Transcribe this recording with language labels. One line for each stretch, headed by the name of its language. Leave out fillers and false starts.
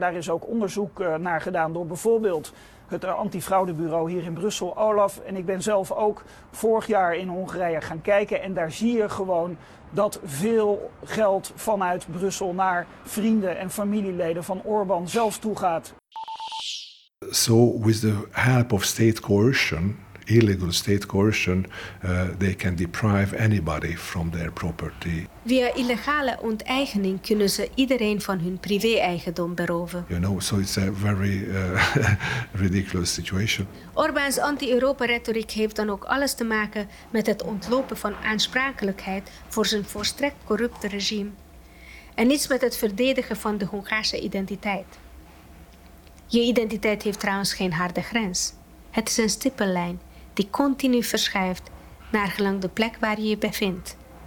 Dutch: Daar is ook onderzoek naar gedaan door bijvoorbeeld het antifraudebureau hier in Brussel, Olaf. En ik ben zelf ook vorig jaar in Hongarije gaan kijken en daar zie je gewoon dat veel geld vanuit Brussel naar vrienden en familieleden van Orbán zelf toe gaat.
English: So with the help of state coercion, illegal state coercion, they can deprive anybody from their property.
Dutch: Via illegale onteigening kunnen ze iedereen van hun privé-eigendom beroven.
English: You know, so it's a very ridiculous situation.
Dutch: Orbáns anti-Europa-retoriek heeft dan ook alles te maken met het ontlopen van aansprakelijkheid voor zijn volstrekt corrupte regime. En niets met het verdedigen van de Hongaarse identiteit. Je identiteit heeft trouwens geen harde grens. Het is een stippellijn die continu verschuift naar gelang de plek waar je je bevindt.